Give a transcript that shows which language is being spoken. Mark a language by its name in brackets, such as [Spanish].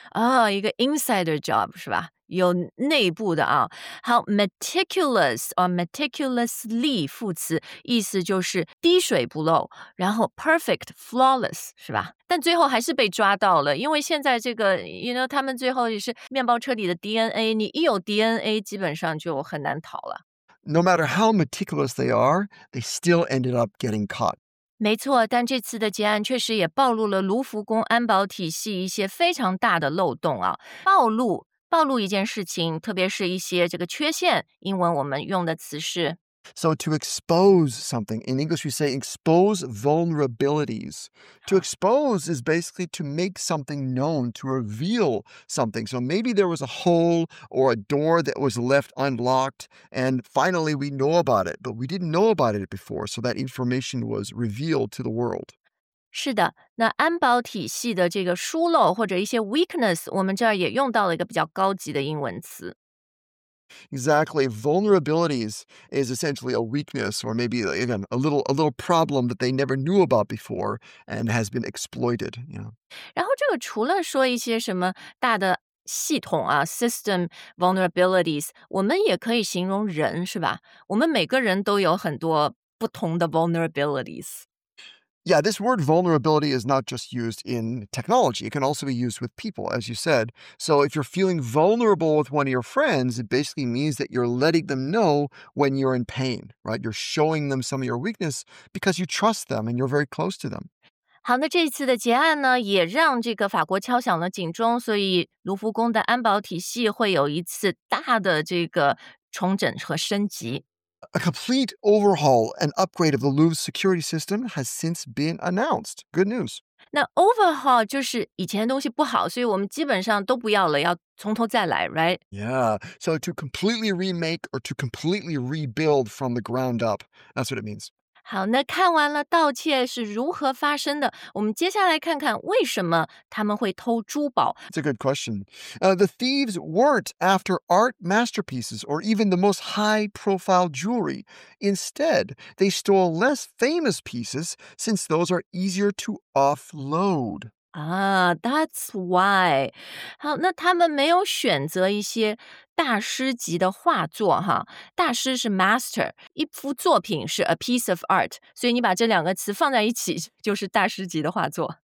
[Chinese] Oh, 一个 [English] insider job, [Chinese] 是吧？有内部的啊，好 [English] meticulous or meticulously [Chinese] 副词，意思就是滴水不漏，然后 [English] perfect, flawless [Chinese] 是吧？但最后还是被抓到了，因为现在这个 [English] you know [Chinese] 他们最后也是面包车里的 DNA， 你一有 DNA， 基本上就很难逃了。 [English] No matter how meticulous they are, they still ended up getting caught. [Chinese] 没错，但这次的劫案确实也暴露了卢浮宫安保体系一些非常大的漏洞啊，暴露一件事情，特别是一些这个缺陷，英文我们用的词是。 [English] So to expose something, in English we say expose vulnerabilities. To expose is basically to make something known, to reveal something. So maybe there was a hole or a door that was left unlocked, and finally we know about it, but we didn't know about it before, so that information was revealed to the world. [Chinese] 是的，那安保体系的这个疏漏或者一些 weakness， 我们这儿也用到了一个比较高级的英文词。 [English] Exactly, vulnerabilities is essentially a weakness or maybe again a little problem that they never knew about before and has been exploited. Yeah. [Chinese] 然后这个除了说一些什么大的系统啊 system vulnerabilities， 我们也可以形容人，是吧？我们每个人都有很多不同的 vulnerabilities。 [English] Yeah, this word vulnerability is not just used in technology. It can also be used with people, as you said. So if you're feeling vulnerable with one of your friends, it basically means that you're letting them know when you're in pain, right? You're showing them some of your weakness because you trust them and you're very close to them. [Chinese] 好，那这一次的劫案呢，也让这个法国敲响了警钟，所以卢浮宫的安保体系会有一次大的这个重整和升级。 [English] A complete overhaul and upgrade of the Louvre security system has since been announced. Good news. [Chinese] 那 overhaul 就是以前的东西不好，所以我们基本上都不要了，要从头再来 ， [English] right? Yeah. So to completely remake or to completely rebuild from the ground up, that's what it means. [Chinese] 好，那看完了盗窃是如何发生的，我们接下来看看为什么他们会偷珠宝。 [English] It's a good question. The thieves weren't after art masterpieces or even the most high-profile jewelry. Instead, they stole less famous pieces since those are easier to offload. That's why. [Chinese] 好，那他们没有选择一些大师级的画作哈，大师是 master， 一幅作品是 [English] a piece of art， [Chinese] 所以你把这两个词放在一起就是大师级的画作。